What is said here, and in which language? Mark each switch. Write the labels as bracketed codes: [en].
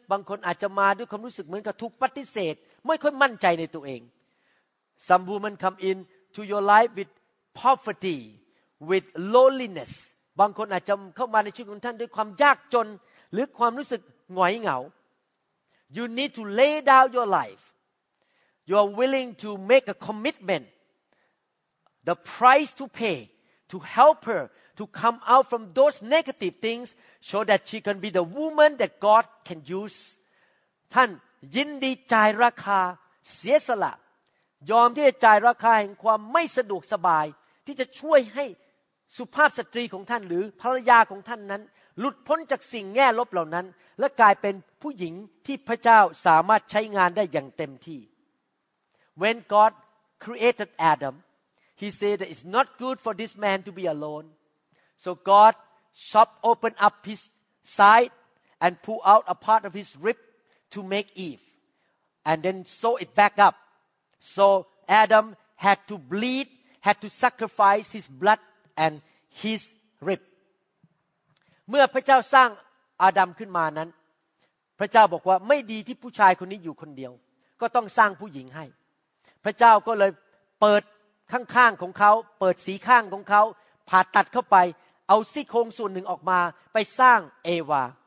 [th] บางคนอาจจะมาด้วยความรู้สึกเหมือนกับถูกปฏิเสธไม่ค่อยมั่นใจในตัวเอง [en] Some women come in to your life with poverty, with loneliness. [th] บางคนอาจจะเข้ามาในชีวิตของท่านด้วยความยากจนหรือความรู้สึกหงอยเหงา [en] You need to lay down your life. You are willing to make a commitment, the price to pay, to help her to come out from those negative things, so that she can be the woman that God can use. [th] ท่านยินดีจ่ายราคาเสียสละยอมที่จะจ่ายราคาแห่งความไม่สะดวกสบายที่จะช่วยให้สุภาพสตรีของท่านหรือภรรยาของท่านนั้นหลุดพ้นจากสิ่งแง่ลบเหล่านั้นและกลายเป็นผู้หญิงที่พระเจ้าสามารถใช้งานได้อย่างเต็มที่ [en] When God created Adam, He said that it's not good for this man to be alone. So God chopped open up his side and pulled out a part of his rib to make Eve, and then sew it back up. So Adam had to bleed, had to sacrifice his blood and his rib. [th] เมื่อพระเจ้าสร้างอาดัมขึ้นมานั้น พระเจ้าบอกว่าไม่ดีที่ผู้ชายคนนี้อยู่คนเดียวก็ต้องสร้างผู้หญิงให้พระเจ้าก็เลยเปิดข้างๆของเขาเปิดสีข้างของเขาผ่าตัดเข้าไปเอาซี่โครงส่วนหนึ่งออกมาไปสร้างเอวา